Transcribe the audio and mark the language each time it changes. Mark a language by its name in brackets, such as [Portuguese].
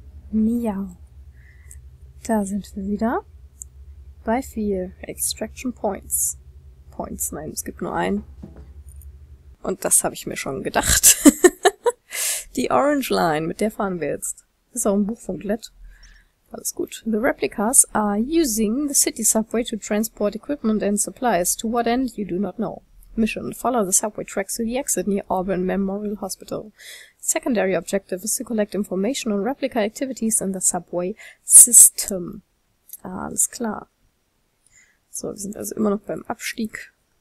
[German] Mia, da sind wir wieder bei 4 Extraction Points. Points, nein, es gibt nur einen. Und das habe ich mir schon gedacht. Die Orange Line, mit der fahren wir jetzt. Ist auch ein Buch von Glett. Alles gut. [English] The replicas are using the city subway to transport equipment and supplies. To what end, you do not know. Mission, follow the subway tracks to the exit near Auburn Memorial Hospital. Secondary objective is to collect information on replica activities in the subway system. [German] Ah, alles klar. So, wir sind also immer noch beim Abstieg.